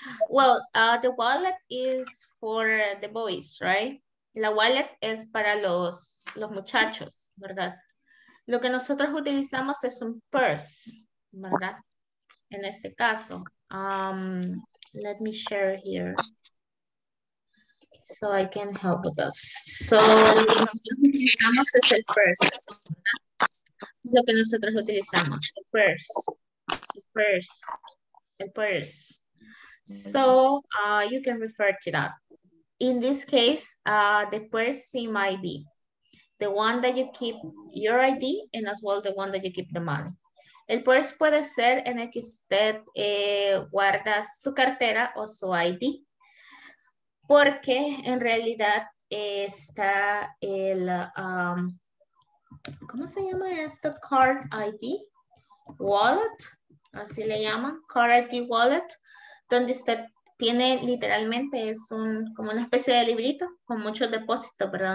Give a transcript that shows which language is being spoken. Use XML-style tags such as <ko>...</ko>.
<en>Well, the wallet is for the boys, right?</en> <es>La wallet es para los muchachos, ¿verdad? Lo que nosotros utilizamos es un purse, ¿verdad? En este caso,</es> <en>let me share here so I can help with us.</en> <es>So lo que nosotros utilizamos es el purse, ¿verdad? Lo que nosotros utilizamos, el purse, el purse.</es> <en>El purse. So you can refer to that. In this case, the purse might be the one that you keep your ID and as well the one that you keep the money.</en> <es>El purse puede ser en el que usted guarda su cartera o su ID, porque en realidad está el, ¿cómo se llama esto? Card ID, wallet. Así le llaman, card ID wallet, donde usted tiene literalmente, es un, como una especie de librito con muchos depósitos, ¿verdad?</es>